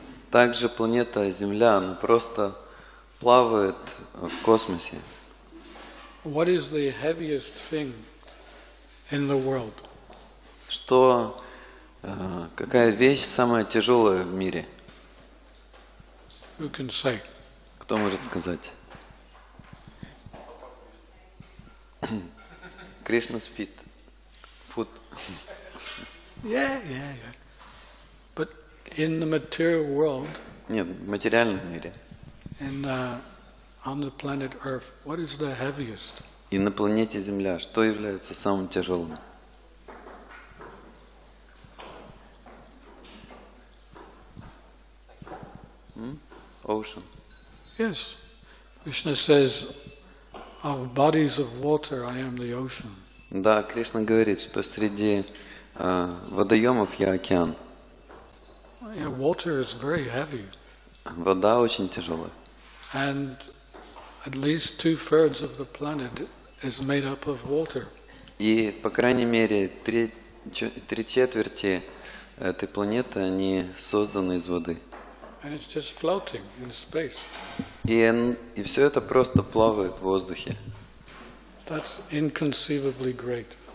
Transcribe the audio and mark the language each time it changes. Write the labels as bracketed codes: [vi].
[ru] Также планета Земля, она просто плавает в космосе. [en] What is the heaviest thing in the world? [ru] Что, какая вещь самая тяжелая в мире? [en] Who can say? [ru] Кто может сказать? Кришна спит. Фуд. [en] Yeah. But in the material world, [ru] нет, в материальном мире. [en] And, on the planet Earth, what is the heaviest? [ru] И на планете Земля, что является самым тяжелым? [en] Ocean. Yes. Krishna says, of bodies of water, I am the ocean. [ru] Да, Кришна говорит, что среди водоемов я океан. [en] Yeah, water is very heavy. [ru] Вода очень тяжелая. [en] And at least 2/3 of the planet is made up of water. [ru] И по крайней мере три четверти этой планеты они созданы из воды. [en] And it's just floating in space. [ru] И все это просто плавает в воздухе. [en] That's inconceivably great.